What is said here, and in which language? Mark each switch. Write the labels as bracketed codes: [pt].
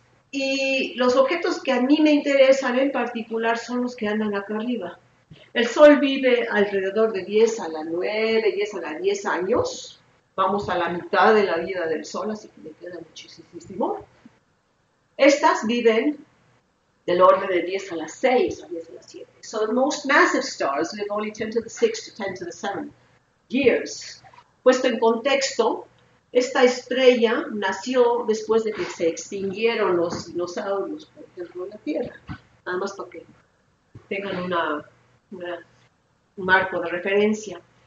[es] Y los objetos que a mí me interesan en particular son los que andan acá arriba. El sol vive alrededor de 10 a la 9, 10 a la 10 años. Vamos a la mitad de la vida del sol, así que me queda muchísimo. Estas viven del orden de 10 a la 6 o 10 a la 7. [en] So the most massive stars live only 10 to the 6 to 10 to the 7 years. [es] Puesto en contexto, esta estrella nació después de que se extinguieron los dinosaurios, por ejemplo, en la Tierra. Nada más para que tengan una marco de referencia.